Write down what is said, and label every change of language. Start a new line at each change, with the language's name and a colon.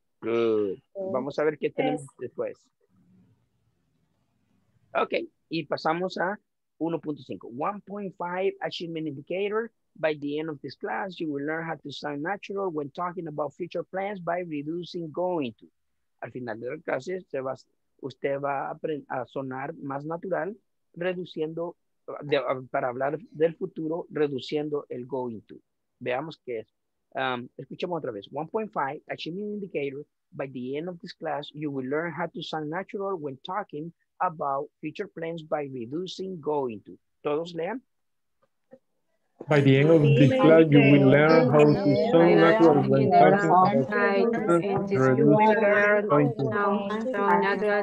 Spanish: Good. Vamos a ver qué tenemos después. Okay. Y pasamos a 1.5. 1.5 achievement indicator.
English: By the end of this class, you will learn how to sound natural when talking about future plans by reducing going to.
Spanish: Al final de la clase, se va a... usted va a sonar más natural reduciendo para hablar del futuro reduciendo el going to. Veamos qué es. Escuchemos otra vez. 1.5 achievement indicator.
English: By the end of this class, you will learn how to sound natural when talking about future plans by reducing going to.
Spanish: Todos lean.
English: By the end of this class, you will learn how to sound natural when talking about future plans by reducing going